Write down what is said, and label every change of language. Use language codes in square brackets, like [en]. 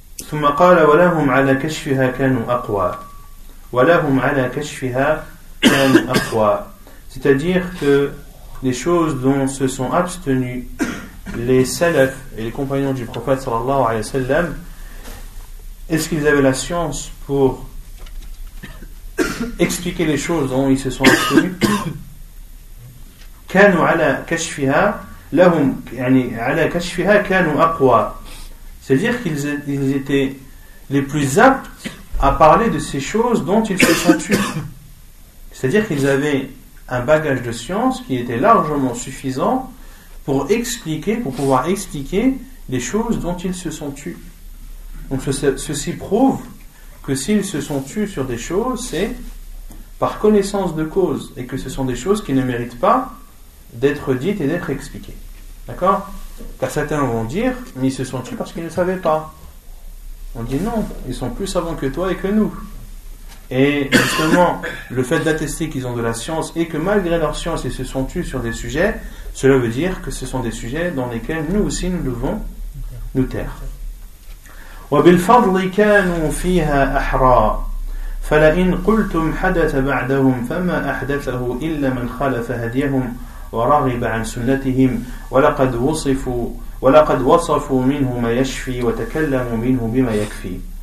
[ar] ثم قال ولهم على كشفها كانوا أقوى ولهم على كشفها كانوا أقوى. [fr] C'est-à-dire que les choses dont se sont abstenus les salafs et les compagnons du prophète sallallahu alayhi wa sallam, est-ce qu'ils avaient la science pour expliquer les choses dont ils se sont abstenus? [ar] كانوا على كشفها لهم يعني على كشفها كانوا أقوى. [fr] C'est-à-dire qu'ils étaient les plus aptes à parler de ces choses dont ils se sont abstenus. C'est-à-dire qu'ils avaient un bagage de science qui était largement suffisant pour expliquer, pour pouvoir expliquer les choses dont ils se sont tus. Donc ceci prouve que s'ils se sont tus sur des choses, c'est par connaissance de cause, et que ce sont des choses qui ne méritent pas d'être dites et d'être expliquées. D'accord ? Car certains vont dire: mais ils se sont tus parce qu'ils ne savaient pas. On dit: non, ils sont plus savants que toi et que nous. Et justement, le fait d'attester qu'ils ont de la science et que malgré leur science, ils se sont tus sur des sujets, cela veut dire que ce sont des sujets dans lesquels nous aussi nous devons nous taire. [ar] وبالفضل كانوا فيها أحرى فلئن قلتم حدث بعدهم فما أحدثه إلا من خالف هديهم ورغب عن سنتهم ولقد وصفوا منه ما يشفي وتكلموا منه بما يكفي.